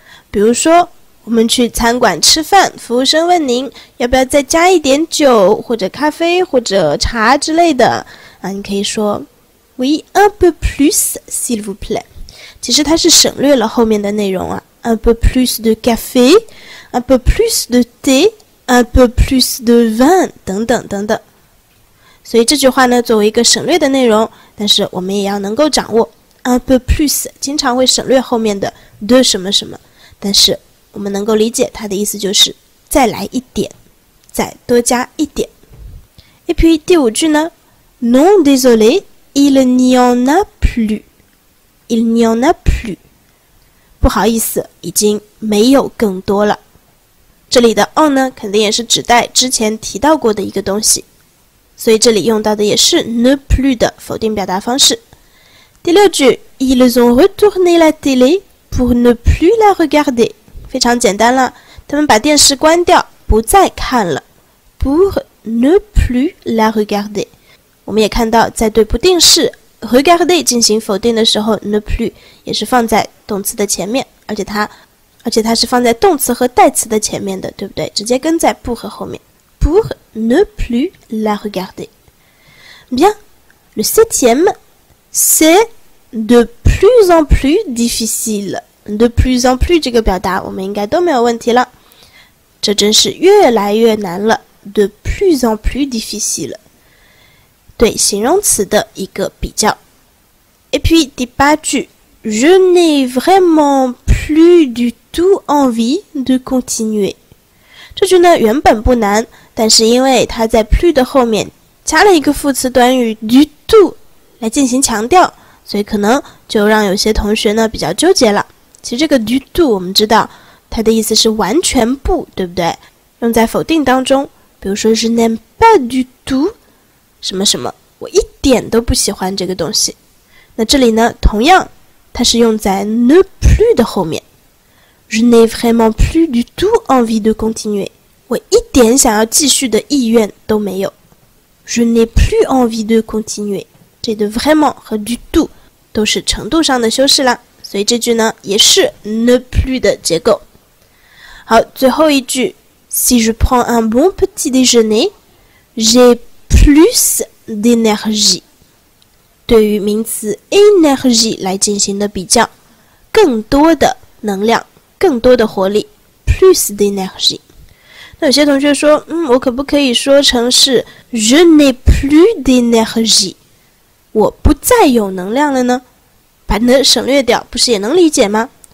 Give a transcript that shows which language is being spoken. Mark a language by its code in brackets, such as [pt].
[zh] 比如说我们去餐馆吃饭，服务生问您要不要再加一点酒或者咖啡或者茶之类的啊，你可以说 [fr] oui un peu plus s'il vous plaît， [zh] 其实它是省略了后面的内容啊， [fr] un peu plus de café， un peu plus de thé， un peu plus de vin， [zh] 等等等等。所以这句话呢作为一个省略的内容，但是我们也要能够掌握 [fr] un peu plus [zh] 经常会省略后面的 de 什么什么，但是我们能够理解它的意思就是再来一点，再多加一点。 [fr] Et puis [zh] 第五句呢 [fr] ？Non, désolé, il n'y en a plus. Il n'y en a plus. [zh] 不好意思，已经没有更多了。这里的 on 呢，肯定也是指代之前提到过的一个东西，所以这里用到的也是 ne plus 的否定表达方式。第六句 [fr] ，Ils ont retourné la télé pour ne plus la regarder. [zh] 非常简单了，他们把电视关掉，不再看了。 [fr] Pour ne plus la regarder. [zh] 我们也看到，在对不定式 regarder 进行否定的时候 ，ne plus 也是放在动词的前面，而且它是放在动词和代词的前面的，对不对？直接跟在 pour 后面。 [fr] Pour ne plus la regarder. Bien, le septième. C'est de plus en plus difficile. De plus en plus [zh] 这个表达我们应该都没有问题了。这真是越来越难了。 [fr] De plus en plus difficile. [zh] 对形容词的一个比较。 [fr] Et puis, [zh] 第八句 [fr] Je n'ai vraiment plus du tout envie de continuer. [zh] 这句呢原本不难，但是因为它在 plus 的后面加了一个副词短语 du tout. 来进行强调，所以可能就让有些同学呢比较纠结了。其实这个 du tout 我们知道它的意思是完全不，对不对？用在否定当中，比如说 [fr] je n'aime pas du tout [zh] 什么什么，我一点都不喜欢这个东西。那这里呢同样它是用在 ne plus 的后面， [fr] je n'ai vraiment plus du tout envie de continuer， [zh] 我一点想要继续的意愿都没有。 [fr] je n'ai plus envie de continuer， [zh] 这的 vraiment 和 du tout 都是程度上的修饰啦，所以这句呢也是 ne plus 的结构。好，最后一句 [fr] Si je prends un bon petit déjeuner, j'ai plus d'énergie. [zh] 对于名词 énergie 来进行的比较，更多的能量，更多的活力， plus d'énergie. 那有些同学说，我可不可以说成是 [fr] je n'ai plus d'énergie? [zh] 我不再有能量了呢，把呢省略掉不是也能理解吗？